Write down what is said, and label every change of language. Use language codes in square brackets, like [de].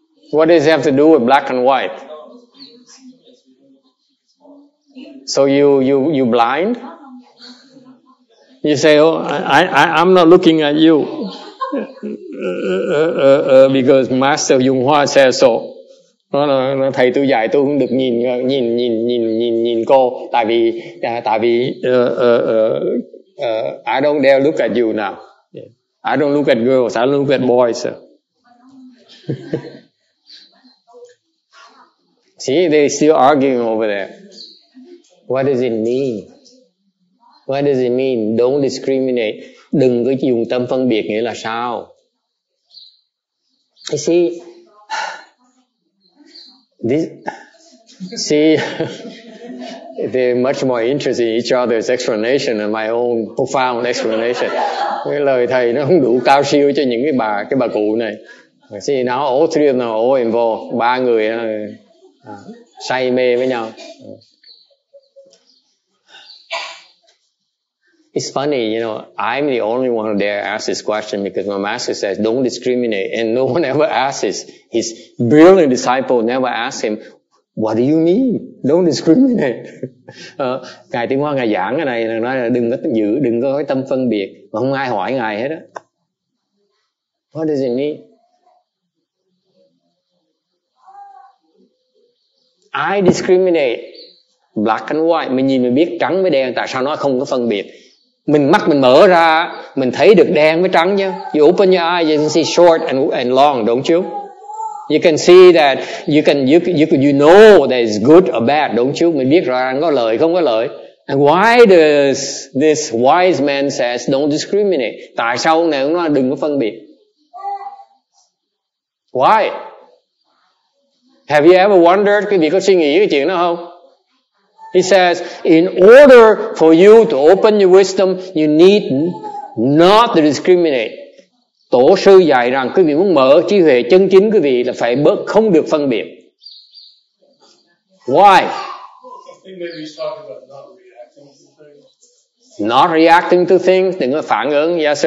[en] What does it have to do with black and white? So you blind? You say, oh, I'm not looking at you. Because Master Yung Hoa says so. [vi] Nó thầy tôi dạy tôi cũng được nhìn cô tại vì [en] I don't dare look at you now. I don't look at girls, I look at boys. See, they're still arguing over there. What does it mean? What does it mean? Don't discriminate. [vi] Đừng có dùng tâm phân biệt nghĩa là sao? [en] You see, they're much more interested in each other's explanation than my own profound explanation. [vi] Cái lời thầy nó không đủ cao siêu cho những cái bà cụ này. [en] See, now all three of them are all involved. [vi] Ba người say mê với nhau. [en] It's funny, you know, I'm the only one who dare ask this question because my master says, don't discriminate. And no one ever asks this. His brilliant disciple never asked him, what do you mean? Don't discriminate. [vi] Ngài Tiếng Hoa, Ngài giảng cái này, nói là đừng có tâm phân biệt. Mà không ai hỏi Ngài hết á. [en] What does it mean? I discriminate black and white. [vi] Mình nhìn mình biết trắng với đen, tại sao nó không có phân biệt? Mình mắt mình mở ra, mình thấy được đen với trắng nhá. [en] You open your eyes, you can see short and long, don't you? You can see that, you know that it's good or bad, don't you? [vi] Mình biết rõ ràng có lợi, không có lợi. [en] And why does this wise man says don't discriminate? [vi] Tại sao ông này ông nói đừng có phân biệt? [en] Why? Have you ever wondered, [vi] quý vị có suy nghĩ cái chuyện đó không? [en] He says, in order for you to open your wisdom, you need not to discriminate. [vi] Tổ sư dạy rằng quý vị muốn mở trí huệ chân chính quý vị là phải bớt không được phân biệt. [en] Why? I think maybe he's talking about not reacting to things. Not reacting to things, [vi] đừng có phản ứng, [en] yes sir.